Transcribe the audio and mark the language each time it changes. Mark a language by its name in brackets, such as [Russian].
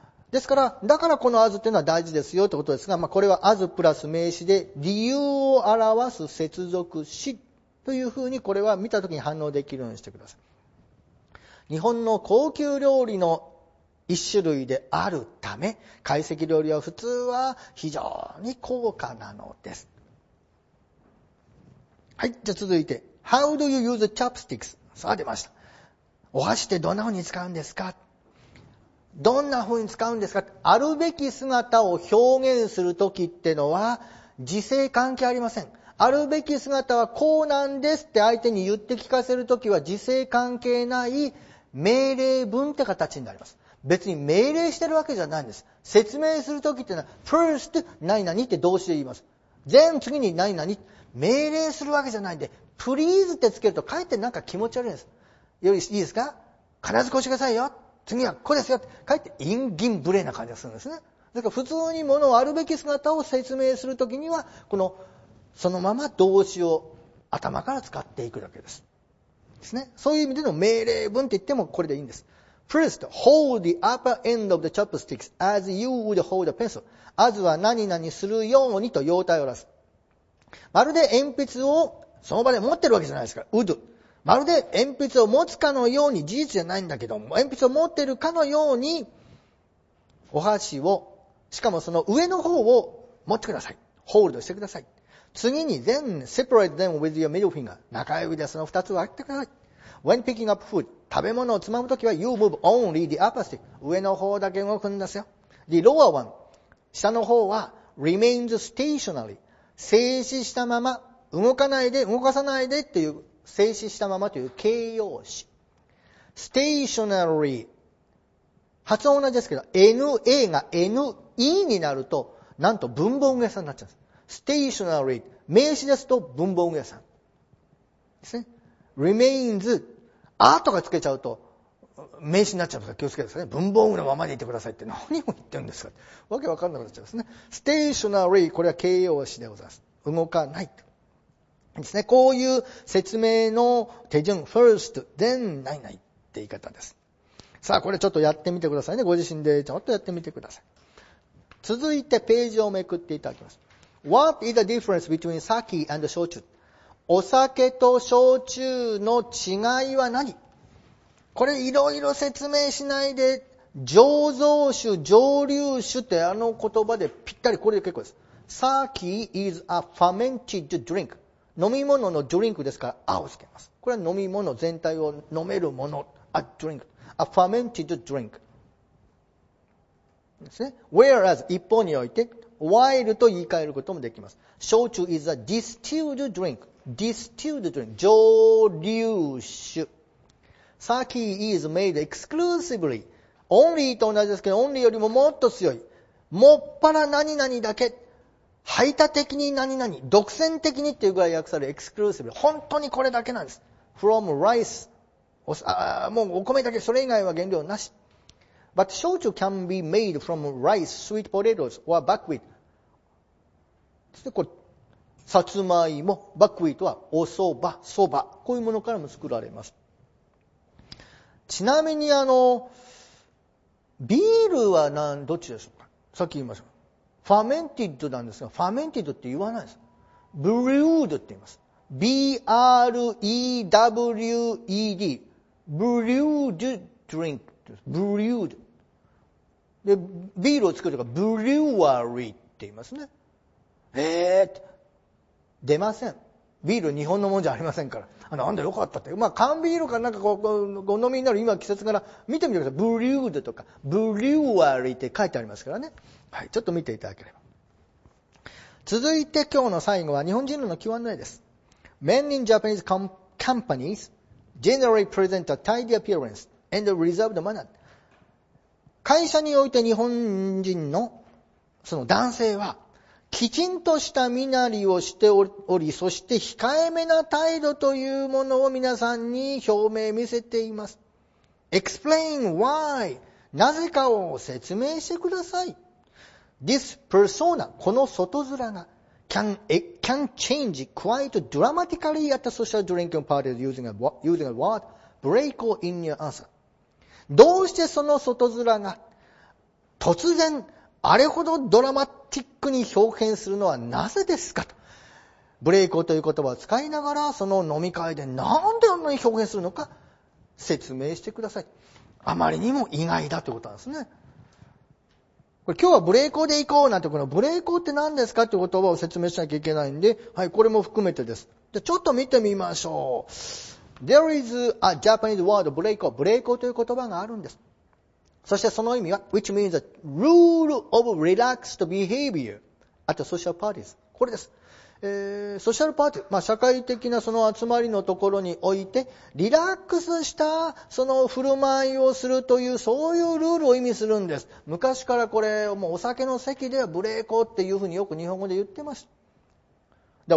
[Japanese] ですから、だからこの as っていうのは大事ですよってことですが、まあ、これは as プラス名詞で理由を表す接続詞というふうに、これは見たときに反応できるようにしてください。日本の高級料理の一種類であるため、懐石料理は普通は非常に高価なのです。はい、じゃあ続いて [English] How do you use chopsticks? [Japanese] さあ出ました。お箸ってどんな風に使うんですか、どんな風に使うんですか。あるべき姿を表現するときってのは時勢関係ありません。あるべき姿はこうなんですって相手に言って聞かせるときは時勢関係ない命令文って形になります。別に命令してるわけじゃないんです。説明するときってのは first 何々って動詞で言います。 then次に何々、命令するわけじゃないんで、プリーズってつけるとかえってなんか気持ち悪いんです。よりいいですか、必ずこうしてくださいよ、次はこうですよって、かえってインギンブレな感じがするんですね。だから普通にものをあるべき姿を説明するときには、このそのまま動詞を頭から使っていくだけです。ですね。そういう意味での命令文って言ってもこれでいいんです。 [English] First, hold the upper end of the chopsticks as you would hold a pencil. [Japanese] As は何々するようにと用態を出す。まるで鉛筆をその場で持ってるわけじゃないですか。ウド。まるで鉛筆を持つかのように、事実じゃないんだけど、鉛筆を持ってるかのように、お箸を、しかもその上の方を持ってください。ホールドしてください。次に、 [English] then separate them with your middle finger。 [Japanese] 中指でその二つ割ってください。 [English] When picking up food、 [Japanese] 食べ物をつまむときは、 [English] you move only the upper stick。 [Japanese] 上の方だけ動くんですよ。 [English] the lower one、 [Japanese] 下の方は、 [English] remains stationary。 [Japanese] 静止したまま、動かないで、動かさないでっていう、静止したままという形容詞。 [English] stationary。 [Japanese] 発音同じですけど、na が ne になると、なんと文房具屋さんになっちゃうんです。 [English] stationary。 [Japanese] 名詞ですと文房具屋さん。ですね。remains。あとかつけちゃうと、名詞になっちゃうから気をつけてくださいね。文房具のままでいてくださいって何を言ってるんですか。わけわかんなくなっちゃうんですね。 [English] stationary。 [Japanese] これは形容詞でございます。動かないと。ですね、こういう説明の手順、first, then, ないないって言い方です。さあ、これちょっとやってみてくださいね。ご自身でちょっとやってみてください。続いてページをめくっていただきます。 [English] What is the difference between sake and 焼酎? [Japanese] お酒と焼酎の違いは何? これいろいろ説明しないで、醸造酒、蒸留酒ってあの言葉でぴったり、これで結構です。 [English] Sake is a fermented drink. [Japanese] 飲み物のドリンクですから、あをつけます。これは飲み物全体を飲めるもの。 [English] A drink. A fermented drink. [Japanese] ですね。 Whereas, 一方において、while と言い換えることもできます。 [English] 焼酎 is a distilled drink. Distilled drink. 蒸留酒。 Sake is made exclusively. [Japanese] Only と同じですけど、only よりももっと強い。もっぱら何々だけ。排他的に何々、独占的にっていうぐらい訳される exclusive。本当にこれだけなんです。 [English] from rice。 [Japanese] もうお米だけ、それ以外は原料なし。 [English] but 焼酎 can be made from rice, sweet potatoes, or buckwheat。 [Japanese] そしてこれ、さつまいも、buckwheat はお蕎麦、蕎麦。こういうものからも作られます。ちなみにビールはどっちでしょうか。さっき言いました。ファメンティッドなんですが、ファメンティッドって言わないです。ブリュードって言います。 B-R-E-W-E-D。ブリュードドリンク。ブリュード。で、ビールを作るとか、ブリュワリーって言いますね。出ません。ビール日本のものじゃありませんから。あ、なんでよかったって。まあ、缶ビールかなんかこう、お飲みになる今季節から見てみてください。ブリュードとか、ブリュワリーって書いてありますからね。はい、ちょっと見ていただければ。続いて今日の最後は日本人の Q&A です。 [English] Many Japanese companies generally present a tidy appearance and a reserved manner. [Japanese] 会社において日本人のその男性はきちんとした身なりをしており、そして控えめな態度というものを皆さんに表明見せています。 [English] Explain why、 [Japanese] なぜかを説明してください。 [English] This persona、 [Japanese] この外面が [English] Can change quite dramatically at a social drinking party using a word break or in your answer. [Japanese] どうしてその外面が突然あれほどドラマティックに表現するのはなぜですかと。ブレイクという言葉を使いながら、その飲み会でなんであんなに表現するのか説明してください。あまりにも意外だということなんですね。これ今日はブレイコーで行こうなんて、このブレイコーって何ですかって言葉を説明しなきゃいけないんで、はい、これも含めてです。じゃ、ちょっと見てみましょう。 [English] There is a Japanese word [Japanese] ブレイコー。ブレイコーという言葉があるんです。そしてその意味は、 [English] which means a rule of relaxed behavior at social parties。 [Japanese] これです。ソーシャルパーティー、まあ、社会的なその集まりのところにおいて、リラックスしたその振る舞いをするという、そういうルールを意味するんです。昔からこれ、もうお酒の席ではブレイコーっていうふうによく日本語で言ってました。